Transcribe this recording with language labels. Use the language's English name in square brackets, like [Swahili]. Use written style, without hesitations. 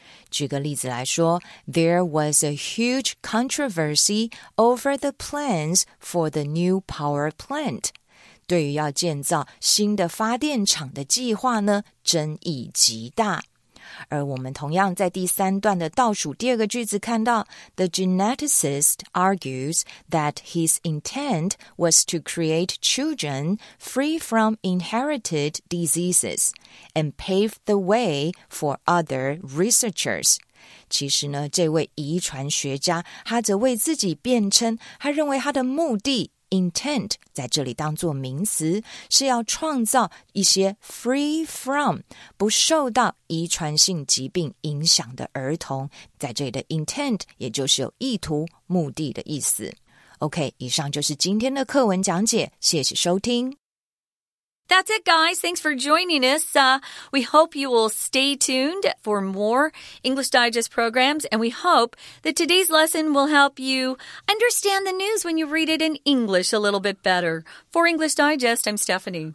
[Chinese] 举个例子来说 [English] ,There was a huge controversy over the plans for the new power plant. [Chinese] 对于要建造新的发电厂的计划呢争议极大。而我们同样在第三段的倒数第二个句子看到 [English] ,The geneticist argues that his intent was to create children free from inherited diseases and pave the way for other researchers. [Chinese] 其实呢，这位遗传学家他则为自己辩称，他认为他的目的 intent 在这里当作名词，是要创造一些 [English] free from [Chinese] 不受到遗传性疾病影响的儿童，在这里的 intent 也就是有意图、目的的意思。 OK， 以上就是今天的课文讲解，谢谢收听。 [English] That's it, guys. Thanks for joining us. We hope you will stay tuned for more English Digest programs, and we hope that today's lesson will help you understand the news when you read it in English a little bit better. For English Digest, I'm Stephanie.